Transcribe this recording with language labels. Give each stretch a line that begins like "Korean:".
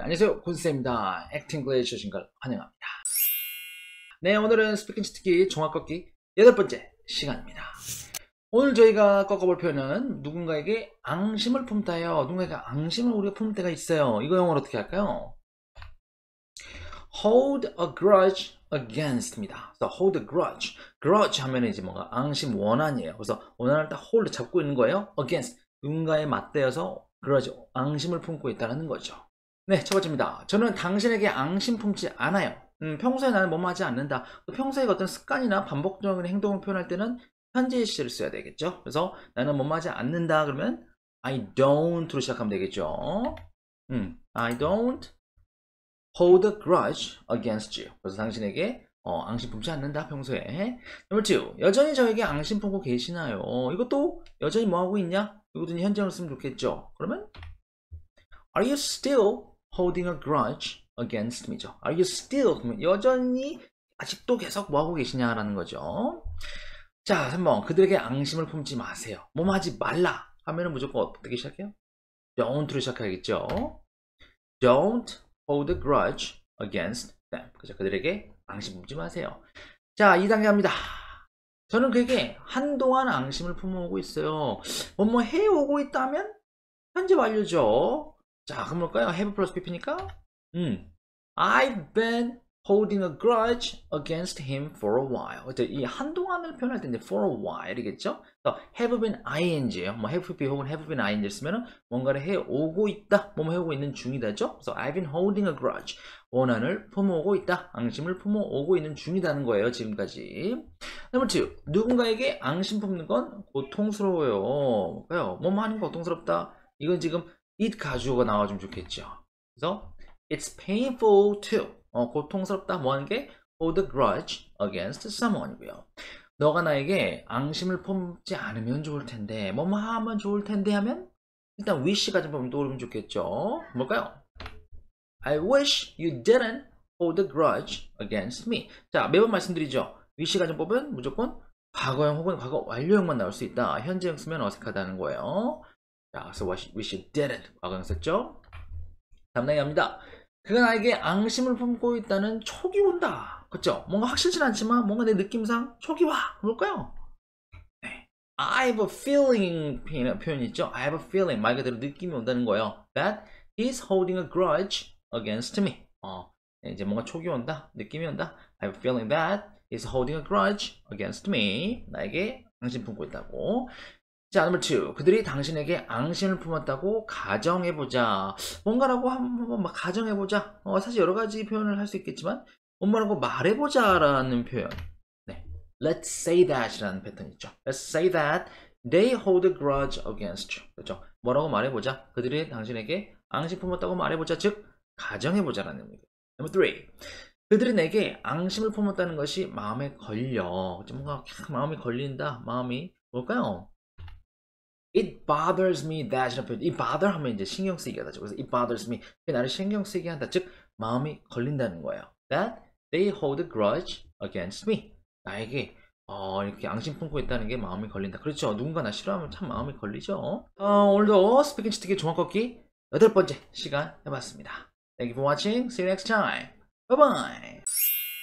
Korean: 안녕하세요, 곤쌤입니다. Act English 하신 걸 환영합니다. 네, 오늘은 스피킹 치트키 종합 꺾기 여덟 번째 시간입니다. 오늘 저희가 꺾어볼 표현은 누군가에게 앙심을 품다예요. 누군가에게 앙심을 우리가 품을 때가 있어요. 이거 영어로 어떻게 할까요?
English: Hold a grudge against입니다. So hold a grudge.
Korean: Grudge 하면 이제 뭔가 앙심 원한이에요. 그래서 원한을 딱 hold 잡고 있는 거예요. Against 누군가에 맞대어서 그러죠. 앙심을 품고 있다는 거죠. 네, 첫 번째입니다. 저는 당신에게 앙심 품지 않아요. 평소에 나는 뭐뭐하지 않는다. 평소에 어떤 습관이나 반복적인 행동을 표현할 때는 현재 시제를 써야 되겠죠. 그래서 나는 뭐뭐하지 않는다 그러면 I don't로 시작하면 되겠죠.
English: I don't hold a grudge against you.
Korean: 그래서 당신에게 앙심 품지 않는다, 평소에.
English: Number two,
Korean: 여전히 저에게 앙심 품고 계시나요? 이것도 여전히 뭐 하고 있냐? 누구든지 현장을 쓰면 좋겠죠. 그러면
English: Are you still holding a grudge against me죠? Are you still
Korean: 여전히 아직도 계속 뭐 하고 계시냐라는 거죠. 자, 3번 그들에게 앙심을 품지 마세요. 뭐뭐 하지 말라 하면은 무조건 어떻게 시작해요? Don't로 시작하겠죠.
English: Don't hold a grudge against them.
Korean: 그죠? 그들에게 앙심 품지 마세요. 자, 2단계 갑니다. 저는 그에게 한동안 앙심을 품어오고 있어요. 뭐뭐 해오고 있다면 현재 완료죠. 자, 그럼 뭘까요?
English: Have plus PP니까. I've been holding a grudge against him for a while.
Korean: 이 한동안을 표현할 때 이제
English: for a while
Korean: 이겠죠?
English: Have been ing예요.
Korean: 뭐 have PP 혹은
English: have been ing
Korean: 쓰면은 뭔가를 해오고 있다. 뭐뭐 해오고 있는 중이다죠.
English: So I've been holding a grudge.
Korean: 원한을 품어오고 있다. 앙심을 품어오고 있는 중이라는 거예요, 지금까지.
English: Number two,
Korean: 누군가에게 앙심 품는 건 고통스러워요. 뭘까요? 뭐뭐 하는 거 고통스럽다. 이건 지금 it 가지고 나와주면 좋겠죠.
English: 그래서 it's painful too.
Korean: 고통스럽다. 뭐 하는 게
English: hold a grudge against someone
Korean: 이고요. 너가 나에게 앙심을 품지 않으면 좋을 텐데, 뭐뭐 하면 좋을 텐데 하면 일단 wish가 좀 떠오르면 좋겠죠. 뭘까요?
English: I wish you didn't hold a grudge against me.
Korean: 자, 매번 말씀드리죠. wish 가정법은 무조건 과거형 혹은 과거 완료형만 나올 수 있다. 현재형 쓰면 어색하다는 거예요. 자,
English: so wish you didn't.
Korean: 과거형 썼죠? 다음 단계 갑니다. 그가 나에게 앙심을 품고 있다는 촉이 온다. 그쵸? 뭔가 확실치 않지만 뭔가 내 느낌상 촉이 와. 뭘까요? 네.
English: I have a feeling
Korean: 표현 있죠?
English: I have a feeling.
Korean: 말 그대로 느낌이 온다는 거예요.
English: That he's holding a grudge against me.
Korean: 이제 뭔가 촉이 온다. 느낌이 온다.
English: I have a feeling that is holding a grudge against me.
Korean: 나에게 앙심 품고 있다고.
English: 자, number two.
Korean: 그들이 당신에게 앙심을 품었다고 가정해보자. 뭔가라고 한번 막 가정해보자. 사실 여러 가지 표현을 할수 있겠지만, 뭔가라고 말해보자라는 표현. 네.
English: Let's say that이라는
Korean: 패턴 있죠.
English: Let's say that they hold a grudge against you.
Korean: 그렇죠. 뭐라고 말해보자. 그들이 당신에게 앙심 품었다고 말해보자. 즉, 가정해보자라는 의미.
English: number three.
Korean: 그들이 내게 앙심을 품었다는 것이 마음에 걸려. 뭔가 마음이 걸린다. 마음이 뭘까요?
English: It bothers me that이라는 표현. It bother
Korean: 하면 이제 신경 쓰이게 하다죠.
English: 그래서 it bothers me.
Korean: 그게 나를 신경 쓰이게 한다. 즉, 마음이 걸린다는 거예요.
English: That they hold a grudge against me.
Korean: 나에게 이렇게 앙심 품고 있다는 게 마음이 걸린다. 그렇죠. 누군가 나 싫어하면 참 마음이 걸리죠. 오늘도 스피킹 치트키 종합 꺾기 여덟 번째 시간 해봤습니다.
English: Thank you for watching. See you next time. Bye bye.